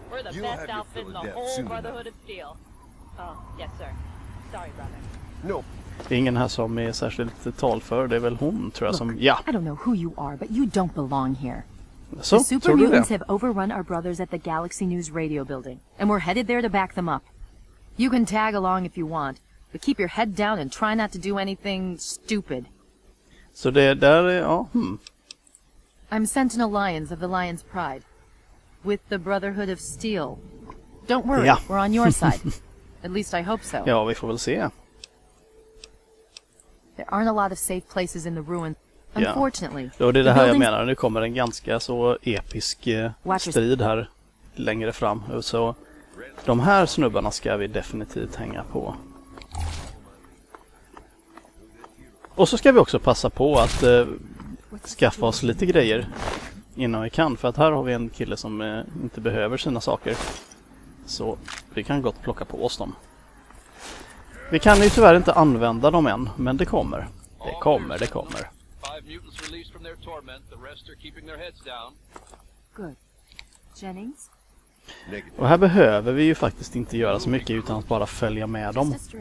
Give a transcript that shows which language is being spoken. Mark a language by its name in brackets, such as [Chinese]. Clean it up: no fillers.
[English] We're the best outfit in the whole Brotherhood of Steel. Oh, yes sir. Sorry, brother. No. [Swedish] Ingen här som är särskilt talför. Det är väl hon, tror jag. [English] Look, [Swedish] som ja. [English] I don't know who you are, but you don't belong here. So, the super mutants have overrun our brothers at the Galaxy News radio building, and we're headed there to back them up. You can tag along if you want, but keep your head down and try not to do anything stupid. [Swedish] Så det är där, ja. [English] I'm Sentinel Lions of the Lion's Pride, with the Brotherhood of Steel. Don't worry, [Swedish] ja. [English] We're on your side. At least I hope so. [Swedish] Ja, vi får väl se. [English] There aren't a lot of safe places in the ruins. Unfortunately. [Swedish] Ja. Det är det här jag menar. Nu kommer en ganska så episk strid här längre fram. Så de här snubbarna ska vi definitivt hänga på. Och så ska vi också passa på att skaffa oss lite grejer innan vi kan. För att här har vi en kille som inte behöver sina saker. Så vi kan gott plocka på oss dem. Vi kan ju tyvärr inte använda dem än. Men det kommer. Det kommer, det kommer. [English] Five mutants released from their torment. The rest are keeping their heads down. Good. Jennings? [Swedish] Och här behöver vi ju faktiskt inte göra så mycket utan att bara följa med dem.